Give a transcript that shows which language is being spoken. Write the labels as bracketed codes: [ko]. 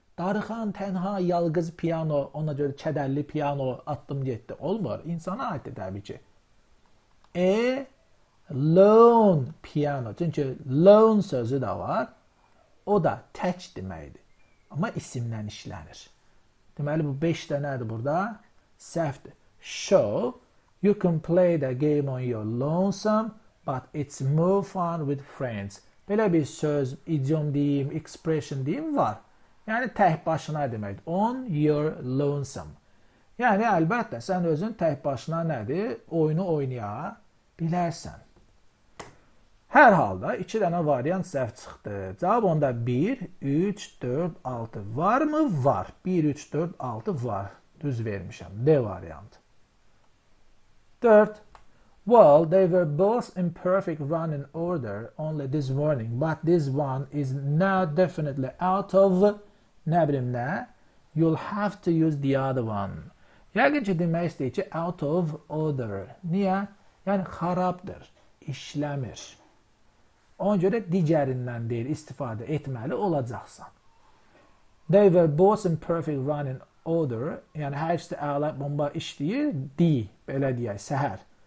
[az] Darıxan, tənha, yalqız piano, ona görə kədərli piano attım getdi. Olmur. İnsana aiddir təbii ki. E lone piano. Çünki lone sözü də var. O da tək deməkdir. Ama isimlen işlenir. Deməli bu 5 də nədir burada? [en] Saved. Show. You can play the game on your lonesome, but it's more fun with friends. [az] Belə bir söz, idiom deyim, expression deyim var. Yəni tək başına deməkdir. [en] On your lonesome. [az] Yəni əlbəttə sən özün tək başına nədir? Oyunu oynaya bilərsən. Hər halda 2 dənə variant səhv çıxdı. Cavab onda 1, 3, 4, 6. Var mı? Var. 1, 3, 4, 6 var. Düz vermişəm. D variantı. 4. [en] Well, they were both in perfect running order only this morning, but this one is now definitely out of [az] nə bilim nə? [en] You'll have to use the other one. [az] Yəqin ki, demək istəyir ki, out of order. Niyə? Yəni, xarabdır, işləmir. Ona görə digərindən deyil, istifadə etməli olacaqsan. [en] They were both in perfect running order. [az] Yəni, hər işdə əla bomba işləyir, deyil, belə deyək, səhər.